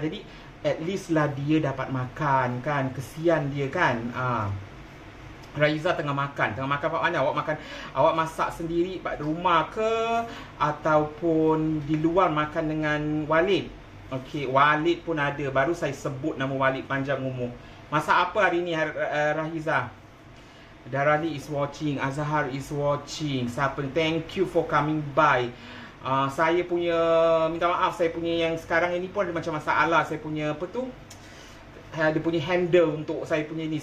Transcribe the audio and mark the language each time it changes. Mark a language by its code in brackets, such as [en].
[ms] Jadi [en] at least [ms] lah dia dapat makan kan. Kesian dia kan. Raiza tengah makan. Tengah makan apa-apa mana? Awak makan, awak masak sendiri kat rumah ke ataupun di luar makan dengan Walid? Okey, Walid pun ada. Baru saya sebut nama Walid panjang umur. Masak apa hari ni, Raiza? [en] Darali is watching, Azhar is watching. [ms] Siapa? [en] Thank you for coming by. [ms] Saya punya, minta maaf, saya punya yang sekarang ini pun ada macam masalah. Saya punya apa tu? Dia punya handle untuk saya punya ni.